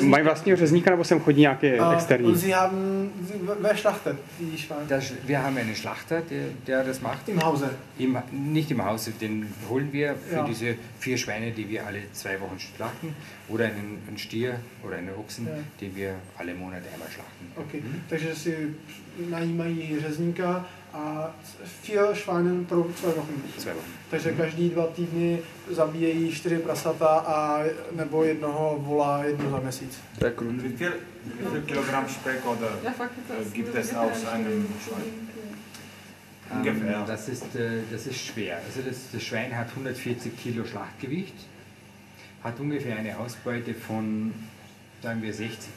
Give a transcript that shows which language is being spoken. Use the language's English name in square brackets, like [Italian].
[Czech] Mají vlastního řezníka, nebo sem chodí nějaký externí? [German] Sie haben, wer schlachtet die Schweine? Wir haben einen Schlachter, der das macht. Im Hause? Nicht im Hause, den holen wir für diese vier Schweine, die wir alle zwei Wochen schlachten. Oder einen Stier oder einen Ochsen, den wir alle Monate einmal schlachten. [Czech] Okay, takže si najímají řezníka a [German] vier Schweine pro zwei Wochen. Zwei Wochen. [Czech] Takže každý dva týdny zabíjejí čtyři prasata a nebo jednoho vola jedno za měsíc. [German] Tak rund. Wie viel Kilogramm Speck oder gibt es aus einem Schwein? Ungefähr. Das ist schwer. Also das Schwein hat 140 Kilo Schlachtgewicht. Hat ungefähr eine Ausbeute von, sagen wir, 60%.